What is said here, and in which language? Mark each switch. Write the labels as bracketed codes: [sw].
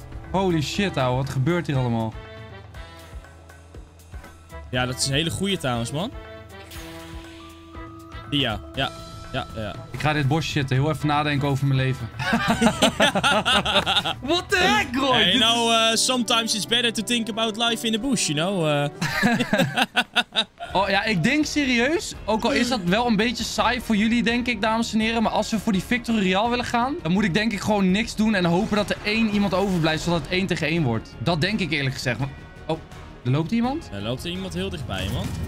[en] Holy shit, [nl] ouwe. Wat gebeurt hier allemaal? Ja, dat is een hele goeie trouwens, man. Ja, ja. Ja, ja. Ik ga dit bosje zitten. Heel even nadenken over mijn leven. Ja. [en] What the heck, Roy? Hey, you know, sometimes it's better to think about life in the bush, you know? [nl] Oh ja, ik denk serieus, ook al is dat wel een beetje saai voor jullie, denk ik, dames en heren. Maar als we voor die Victory Royale willen gaan, dan moet ik denk ik gewoon niks doen en hopen dat er één iemand overblijft, zodat het 1-1 wordt. Dat denk ik eerlijk gezegd. Oh, er loopt iemand? Er loopt iemand heel dichtbij, man.